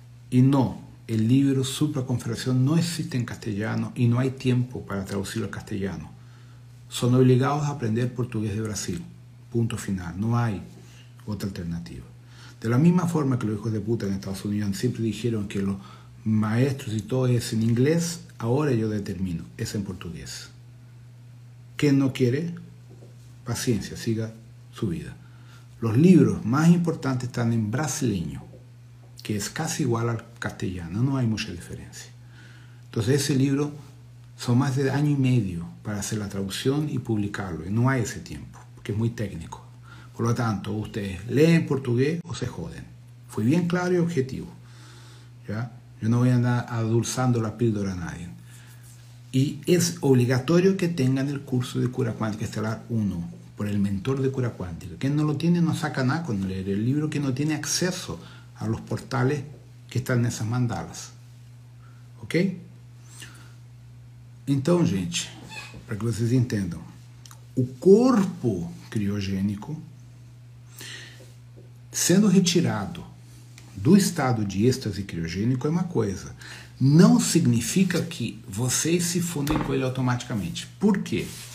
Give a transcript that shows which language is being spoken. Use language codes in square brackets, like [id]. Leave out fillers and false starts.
[pt] E no el libro supraconferencial não existe em castellano e não há tempo para traduzir ao castellano. [es] Son obligados a aprender português de Brasil. Punto final. [pt] Não há outra alternativa. [es] De la misma forma que los hijos de puta en Estados Unidos siempre dijeron que los maestros y todo es en inglés, ahora yo determino, es en portugués. ¿Quién no quiere? Paciencia, siga su vida. Los libros más importantes están en brasileño, que es casi igual al castellano, no hay mucha diferencia. Entonces ese libro son más de año y medio para hacer la traducción y publicarlo, y no hay ese tiempo, porque es muy técnico. Por lo tanto, ustedes leen portugués o se joden. Fui bien claro y objetivo. ¿Ya? Yo no voy a andar adulzando la píldora a nadie. Y es obligatorio que tengan el curso de Cura Cuántica Estelar 1 por el mentor de Cura Cuántica. Quien no lo tiene no saca nada con leer el libro, que no tiene acceso a los portales que están en esas mandalas. ¿Ok? Entonces, gente, para que ustedes entiendan, el cuerpo criogénico [pt] sendo retirado do estado de êxtase criogênico é uma coisa. Não significa que vocês se fundem com ele automaticamente. Por quê?